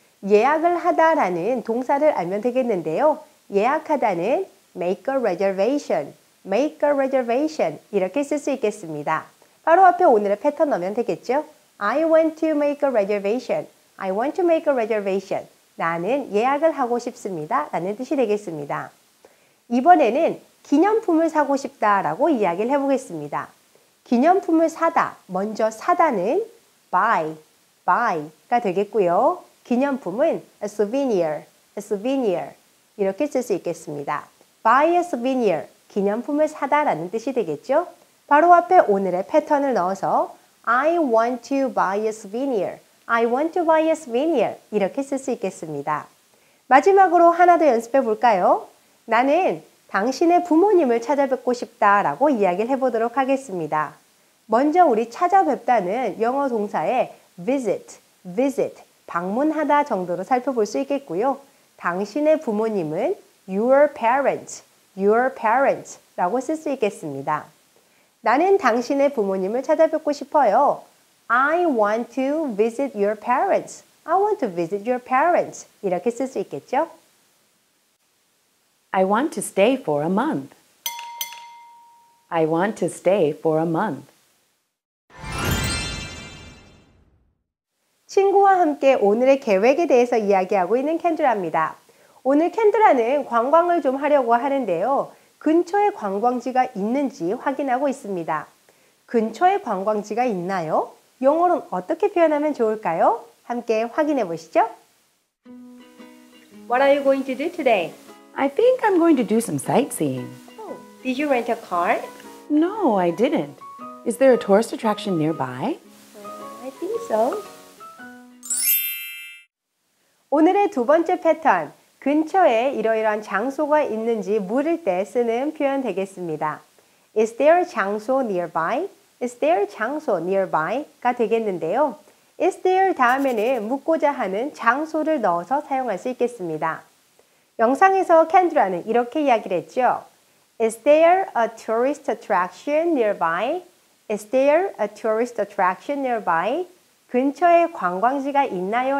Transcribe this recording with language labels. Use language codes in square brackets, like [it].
[ko] 예약을 하다라는 동사를 알면 되겠는데요. 예약하다는 [en] make a reservation, make a reservation [ko] 이렇게 쓸 수 있겠습니다. 바로 앞에 오늘의 패턴 넣으면 되겠죠? [en] I want to make a reservation. I want to make a reservation. [ko] 나는 예약을 하고 싶습니다. 라는 뜻이 되겠습니다. 이번에는 기념품을 사고 싶다라고 이야기를 해보겠습니다. 기념품을 사다. 먼저 사다는 buy, buy가 되겠고요. 기념품은 a souvenir, a souvenir 이렇게 쓸 수 있겠습니다. [en] Buy a souvenir, [ko] 기념품을 사다라는 뜻이 되겠죠. 바로 앞에 오늘의 패턴을 넣어서 [en] I want to buy a souvenir, I want to buy a souvenir [ko] 이렇게 쓸 수 있겠습니다. 마지막으로 하나 더 연습해 볼까요? 나는 당신의 부모님을 찾아뵙고 싶다라고 이야기를 해보도록 하겠습니다. 먼저 우리 찾아뵙다는 영어 동사의 visit, visit, 방문하다 정도로 살펴볼 수 있겠고요. 당신의 부모님은 [en] your parents, your parents [ko] 라고 쓸 수 있겠습니다. 나는 당신의 부모님을 찾아뵙고 싶어요. [en] I want to visit your parents. I want to visit your parents. [ko] 이렇게 쓸 수 있겠죠? [en] I want to stay for a month. I want to stay for a month. [ko] 친구와 함께 오늘의 계획에 대해서 이야기하고 있는 켄드라입니다. 오늘 켄드라는 관광을 좀 하려고 하는데요. 근처에 관광지가 있는지 확인하고 있습니다. 근처에 관광지가 있나요? 영어로는 어떻게 표현하면 좋을까요? 함께 확인해 보시죠. [en] What are you going to do today? I think I'm going to do some sightseeing. Oh, did you rent a car? No, I didn't. Is there a tourist attraction nearby? I think so. [ko] 오늘의 두 번째 패턴, 근처에 이러이러한 장소가 있는지 물을 때 쓰는 표현 되겠습니다. [en] Is there a [ko] 장소 [en] nearby? Is there [ko] 장소 nearby가 되겠는데요. Is there 다음에는 묻고자 하는 장소를 넣어서 사용할 수 있겠습니다. 영상에서 Kendra는 이렇게 이야기를 했죠. [en] Is there a tourist attraction nearby? Is there a tourist attraction nearby? [ko] 근처에 관광지가 있나요?